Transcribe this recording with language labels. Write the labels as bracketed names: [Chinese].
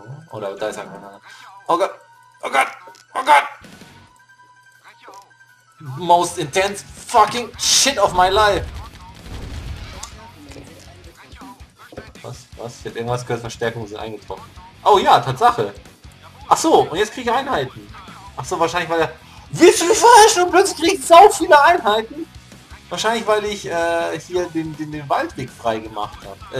[German] Oder da ist einfach. Oh Gott! Oh Gott! Oh Gott! [English] most intense fucking shit of my life. [German] Was? Was? Ich hätte irgendwas gehört, Verstärkungen sind eingetroffen. Oh ja, Tatsache. Ach so, und jetzt kriege ich Einheiten. Ach so, wahrscheinlich weil er... Wie viel verrascht und plötzlich kriege ich so viele Einheiten? Wahrscheinlich weil ich hier den Waldweg frei gemacht habe.